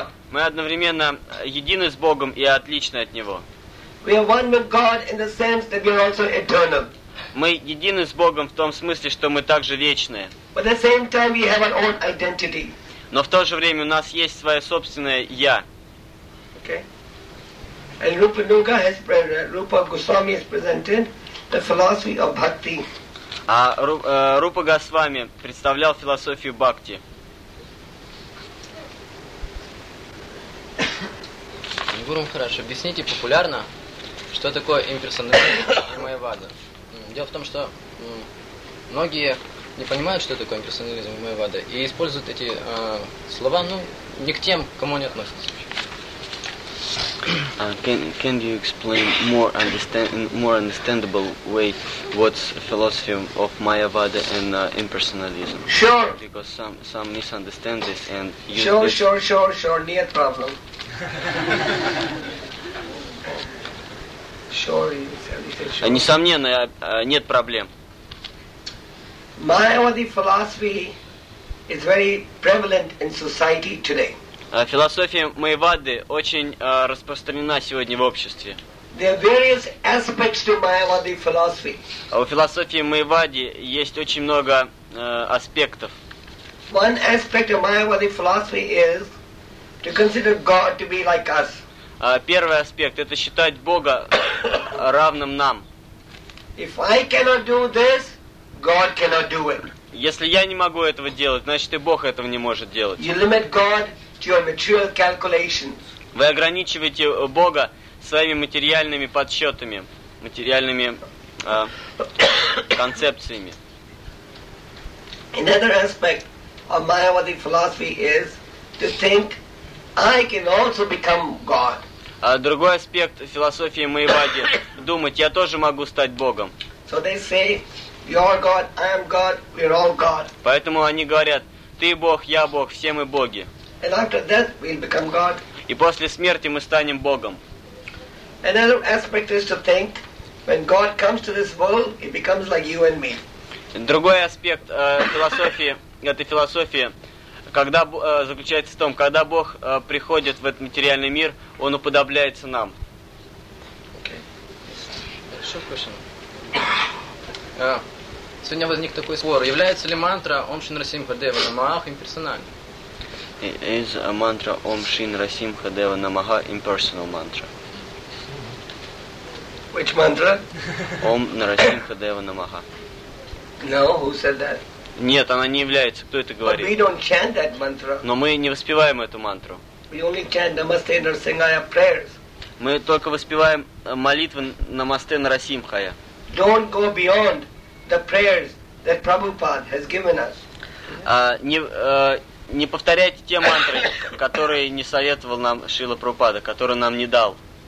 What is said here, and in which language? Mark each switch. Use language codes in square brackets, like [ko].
[ru] Мы одновременно едины с Богом и отличны от Него. Мы едины с Богом в том смысле, что мы также вечные. Но в то же время у нас есть свое собственное «Я». [en] And Rupa Nuga has Rupa Goswami has presented the philosophy of bhakti. [ru] А Рупа Госвами представлял философию бхакти. Гуру Махарадж, объясните популярно, что такое имперсонализм и майявада. Дело в том, что многие не понимают, что такое имперсонализм и майявада, и используют эти слова, ну, не к тем, к кому они относятся. [en] Can you explain more understandable way what's philosophy of Mayavada and impersonalism? Sure. Because some misunderstand this and use sure, this. Sure. No problem. Sure. [ru] Несомненно, нет проблем. [en] Mayavadi philosophy is very prevalent in society today. [ru] Философия Майявады очень распространена сегодня в обществе. [en] There are various aspects to Mayavadi philosophy. [ru] У философии Майявады есть очень много аспектов. [en] One aspect of Mayavadi philosophy is to consider God to be like us. [ru] Первый аспект — это считать Бога равным нам. [en] If I cannot do this, God cannot do it. [ru] Если я не могу этого делать, значит и Бог этого не может делать. [en] You limit God. Your material calculations. [ru] Вы ограничиваете Бога своими материальными подсчетами, материальными концепциями. [en] Another aspect of Mayavadi philosophy is to think I can also become God. [ru] Другой аспект философии Майявады — думать, я тоже могу стать Богом. [en] So they say, you're God, I'm God, we're all God. [ru] Поэтому они говорят, ты Бог, я Бог, все мы Боги. [en] And after death, we'll become God. [ru] И после смерти мы станем Богом. [en] Another aspect is to think, when God comes to this world, he becomes like you and me. [ru] Другой аспект философии, этой философии, когда заключается в том, когда Бог приходит в этот материальный мир, он уподобляется нам. [en] Okay. [ru] Сегодня возник такой спор. Является ли мантра [sa] Ом Шинра Симха Дева Намах [ru] имперсональным? [en] Is a mantra [sa] Om Shin Rasimha Deva Namaha [en] impersonal mantra? Which mantra? [sa] Om Narasimha Deva Namaha. [en] No, who said that? [ru] Нет, она не является. Кто это говорит? [en] But we don't chant that mantra. [ru] Но мы не воспеваем эту мантру. [en] We only chant Namaste Narasimhaya prayers. [ru] Мы только воспеваем молитвы Namaste Narasimhaya. [en] Don't go beyond the prayers that Prabhupada has given us. [ru] Не повторяйте те мантры, которые не советовал нам Шрила Прабхупада, которые нам не дал.